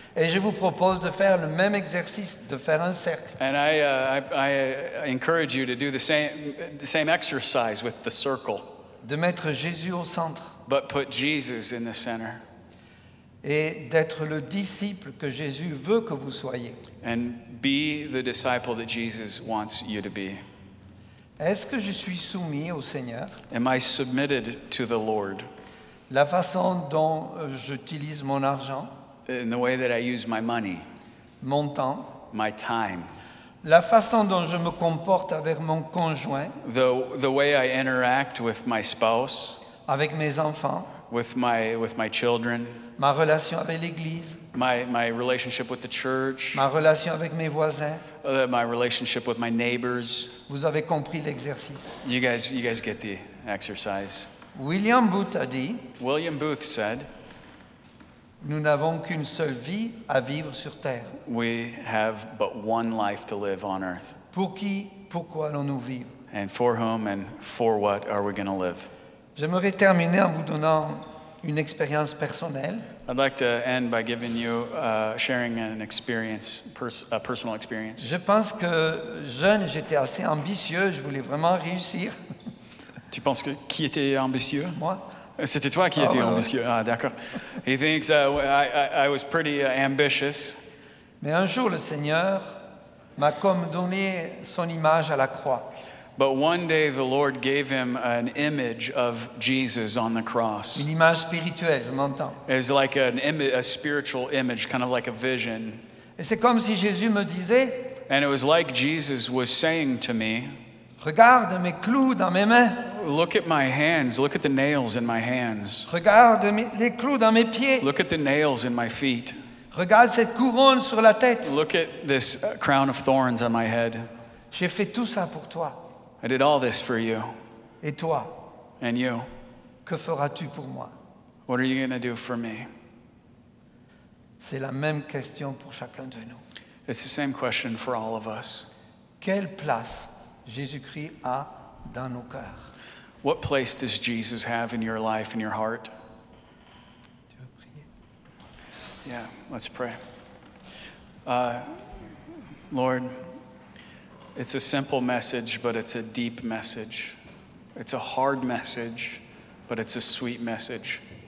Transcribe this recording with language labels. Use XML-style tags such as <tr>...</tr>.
<fr>Et je vous propose de faire le même exercice, de faire un cercle.</fr> <en>And I encourage you to do the same exercise with the circle.</en> <fr>De mettre Jésus au centre.</fr> <en>But put Jesus in the center.</en> <fr>Et d'être le disciple que Jésus veut que vous soyez.</fr> <en>And be the disciple that Jesus wants you to be.</en> <fr>Est-ce que je suis soumis au Seigneur?</fr> <en>Am I submitted to the Lord?</en> <fr>La façon dont j'utilise mon argent.</fr> <en>In the way that I use my money.</en> <fr>Mon temps.</fr> <en>My time.</en> <fr>La façon dont je me comporte avec mon conjoint.</fr> <en>The way I interact with my spouse.</en> <fr>Avec mes enfants.</fr> <en>With my children.</en> <fr>Ma relation avec l'église.</fr> <en>My relationship with the church.</en> <fr>Ma relation avec mes voisins.</fr> <en>My relationship with my neighbors.</en> <fr>Vous avez compris l'exercice.</fr> <en>You guys get the exercise.</en> <fr>William Booth a dit.</fr> <en>William Booth said.</en> <fr>Nous n'avons qu'une seule vie à vivre sur terre.</fr> <en>We have but one life to live on earth.</en> <fr>Pour qui, pourquoi allons-nous vivre?</fr> <en>And for whom and for what are we going to live?</en> <fr>J'aimerais terminer en vous donnant une expérience personnelle.</fr> <en>I'd like to end by giving you sharing an experience, a personal experience.</en> <fr>Je pense que jeune, j'étais assez ambitieux. Je voulais vraiment réussir. Tu penses que qui était ambitieux? Moi. C'était toi qui étais ambitieux. Ah, d'accord.</fr> <en>He thinks I was pretty ambitious.</en> <fr>Mais un jour, le Seigneur m'a comme donné son image à la croix.</fr> <en>But one day the Lord gave him an image of Jesus on the cross.</en> <fr>Une image spirituelle, je m'entends.</fr> <en>It's like a spiritual image, kind of like a vision.</en> <fr>Et c'est comme si Jésus me disait.</fr> <en>And it was like Jesus was saying to me.</en> <fr>Regarde mes clous dans mes mains.</fr> <en>Look at my hands. Look at the nails in my hands.</en> <fr>Regarde les clous dans mes pieds.</fr> <en>Look at the nails in my feet.</en> <fr>Regarde cette couronne sur la tête.</fr> <en>Look at this crown of thorns on my head.</en> <fr>J'ai fait tout ça pour toi.</fr> <en>I did all this for you.</en> <fr>Et toi?</fr> <en>And you.</en> <fr>Que feras-tu pour moi?</fr> <en>What are you going to do for me?</en> <fr>C'est la même question pour chacun de nous.</fr> <en>It's the same question for all of us.</en> <fr>Quelle place Jésus-Christ a dans nos cœurs?</fr> <en>What place does Jesus have in your life, in your heart?</en> <fr>Tu veux prier?</fr> <en>Yeah, let's pray. Lord, it's a simple message, but it's a deep message. It's a hard message, but it's a sweet message.</en>